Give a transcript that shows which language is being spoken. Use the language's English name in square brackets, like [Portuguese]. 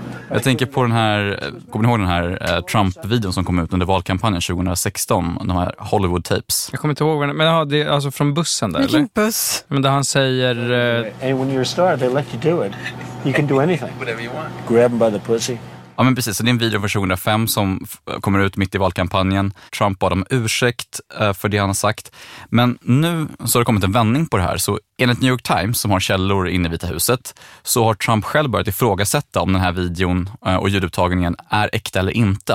[Swedish] Jag tänker på den här, kommer ni ihåg den här Trump-videon som kom ut under valkampanjen 2016, de här Hollywood tapes. Jag kommer inte ihåg, men det är alltså från bussen där, eller? Vilken buss? Men där han säger [English] and when you're a star, they let you do it. You can do anything. Whatever you want. Grab them by the pussy. [Swedish] Ja, men precis. Så det är en video från 2005 som kommer ut mitt i valkampanjen. Trump bad om ursäkt för det han har sagt. Men nu så har det kommit en vändning på det här. Så enligt New York Times, som har källor inne i Vita huset, så har Trump själv börjat ifrågasätta om den här videon och ljudupptagningen är äkta eller inte.